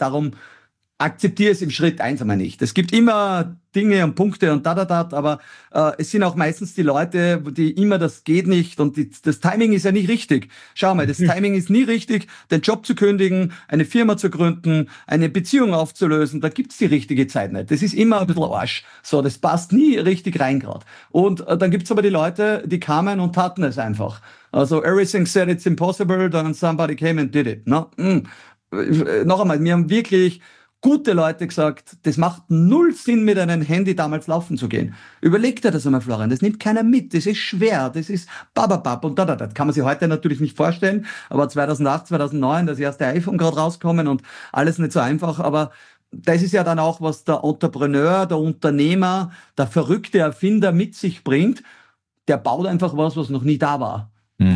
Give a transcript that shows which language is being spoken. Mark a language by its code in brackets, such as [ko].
[de] Darum akzeptiere es im Schritt eins einmal nicht. Es gibt immer Dinge und Punkte und aber es sind auch meistens die Leute, die immer das geht nicht und das Timing ist ja nicht richtig. Schau mal, das Timing ist nie richtig, den Job zu kündigen, eine Firma zu gründen, eine Beziehung aufzulösen, da gibt es die richtige Zeit nicht. Das ist immer ein bisschen Arsch. So, das passt nie richtig rein gerade. Und dann gibt es aber die Leute, die kamen und taten es einfach. [en] Also everything said it's impossible, then somebody came and did it. No? Mm. [de] Noch einmal, wir haben wirklich gute Leute gesagt, das macht null Sinn, mit einem Handy damals laufen zu gehen. Überleg dir das einmal, Florian, das nimmt keiner mit, das ist schwer, das ist bababab und da. Das kann man sich heute natürlich nicht vorstellen, aber 2008, 2009, das erste iPhone gerade rauskommen und alles nicht so einfach, aber das ist ja dann auch, was der Entrepreneur, der Unternehmer, der verrückte Erfinder mit sich bringt, der baut einfach was, was noch nie da war. Mhm.